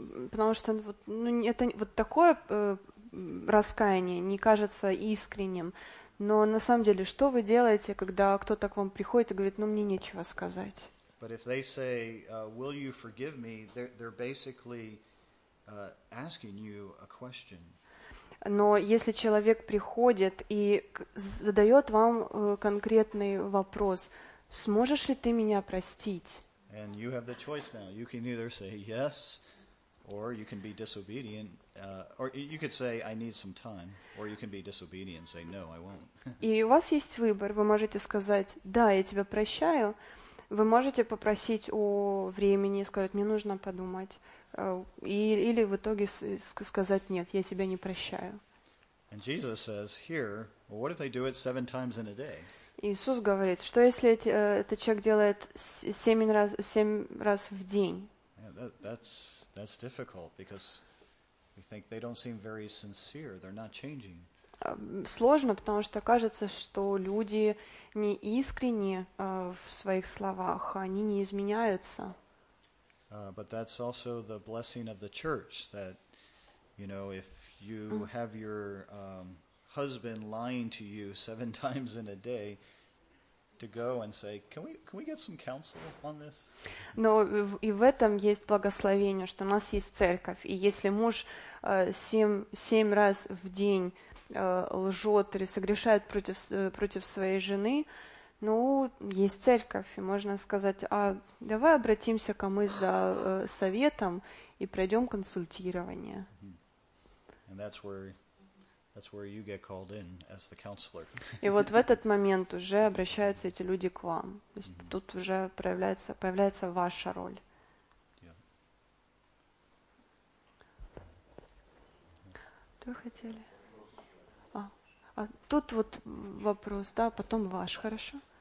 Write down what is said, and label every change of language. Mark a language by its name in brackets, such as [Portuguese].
[Russian] Потому что вот это вот такое раскаяние не кажется искренним, но на самом деле, что вы делаете, когда кто-то к вам приходит и говорит, мне нечего сказать? [English] But if they say, will you forgive me? They're basically asking you a question. [Russian] Но если человек приходит и задает вам конкретный вопрос, сможешь ли ты меня простить? [English] And you have the choice now. You can either say yes, or you can be disobedient, or you could say I need some time, or you can be disobedient and say no, I won't. [Russian] И у вас есть выбор. Вы можете сказать да, я тебя прощаю. Вы можете попросить о времени, сказать мне нужно подумать. Или в итоге сказать нет, я тебя не прощаю. [English] And Jesus says here, well, what if they do it 7 times in a day? [Russian] Иисус говорит, что если этот человек делает 7 раз в день? [English] Yeah, that's difficult because we think they don't seem very sincere, they're not changing. [Russian] Сложно, потому что кажется, что люди не искренни в своих словах, они не изменяются. [English] But that's also the blessing of the church, that, you know, if you have your husband lying to you 7 times in a day, to go and say, can we get some counsel on this? [Russian] Но и в этом есть благословение, что у нас есть церковь, и если муж 7 раз в день лжет или согрешает против своей жены, ну, есть церковь, и можно сказать, давай обратимся к мы за советом и пройдем консультирование. [English] And that's where you get called in as the counselor. [Russian] И вот в этот момент уже обращаются эти люди к вам. То есть тут уже появляется ваша роль. Что вы хотели? Тут вот вопрос, да, потом ваш, хорошо?